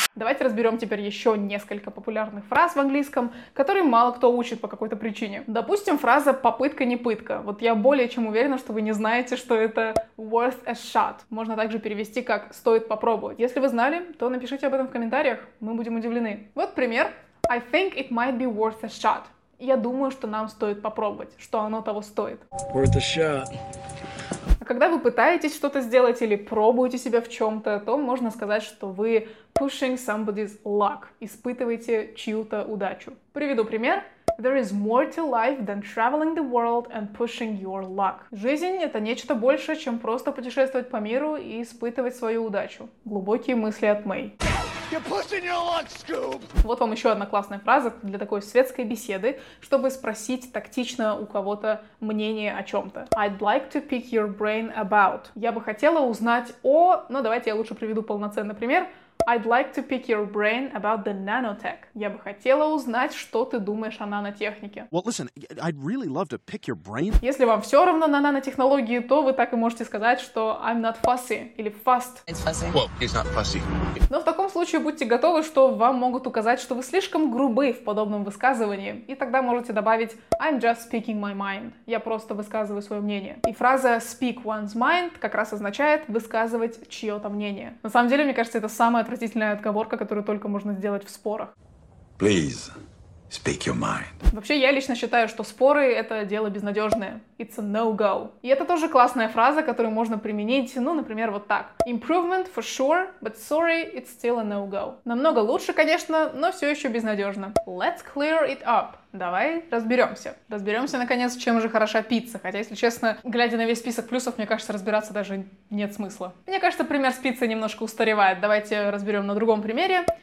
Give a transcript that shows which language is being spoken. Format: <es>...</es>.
<ru>Давайте разберем теперь еще несколько популярных фраз в английском, которые мало кто учит по какой-то причине. Допустим, фраза «попытка не пытка». Вот я более чем уверена, что вы не знаете, что это</ru> <en>worth a shot.</en> <ru>Можно также перевести как «стоит попробовать». Если вы знали, то напишите об этом в комментариях, мы будем удивлены. Вот пример.</ru> <en>I think it might be worth a shot.</en> <ru>Я думаю, что нам стоит попробовать, что оно того стоит.</ru> <en>Worth a shot.</en> <ru>А когда вы пытаетесь что-то сделать или пробуете себя в чем-то, то можно сказать, что вы</ru> <en>pushing somebody's luck.</en> <ru>Испытываете чью-то удачу. Приведу пример.</ru> <en>There is more to life than traveling the world and pushing your luck.</en> <ru>Жизнь — это нечто большее, чем просто путешествовать по миру и испытывать свою удачу. Глубокие мысли от Мэй.</ru> <en>You're pushing your luck, Scoob.</en> <ru>Вот вам еще одна классная фраза для такой светской беседы, чтобы спросить тактично у кого-то мнение о чем-то.</ru> <en>I'd like to pick your brain about.</en> <ru>Я бы хотела узнать о... Но давайте я лучше приведу полноценный пример.</ru> <en>I'd like to pick your brain about the nanotech.</en> <ru>Я бы хотела узнать, что ты думаешь о нанотехнике.</ru> <en>Well, listen, I'd really love to pick your brain.</en> <ru>Если вам все равно на нанотехнологии, то вы так и можете сказать, что</ru> <en>I'm not fussy</en> <ru>или fast.</ru> <en>It's fussy. Well, he's not fussy.</en> <ru>Но в таком случае будьте готовы, что вам могут указать, что вы слишком грубы в подобном высказывании. И тогда можете добавить</ru> <en>I'm just speaking my mind.</en> <ru>Я просто высказываю свое мнение. И фраза</ru> <en>speak one's mind</en> <ru>как раз означает высказывать чье-то мнение. На самом деле, мне кажется, это самое отвратительная отговорка, которую только можно сделать в спорах.</ru> <en>Please, speak your mind.</en> <ru>Вообще, я лично считаю, что споры — это дело безнадежное.</ru> <en>It's a no-go.</en> <ru>И это тоже классная фраза, которую можно применить, ну, например, вот так.</ru> <en>Improvement for sure, but sorry, it's still a no-go.</en> <ru>Намного лучше, конечно, но все еще безнадежно.</ru> <en>Let's clear it up.</en> <ru>Давай разберемся. Разберемся, наконец, чем же хороша пицца. Хотя, если честно, глядя на весь список плюсов, мне кажется, разбираться даже нет смысла. Мне кажется, пример с пиццей немножко устаревает. Давайте разберем на другом примере.</ru>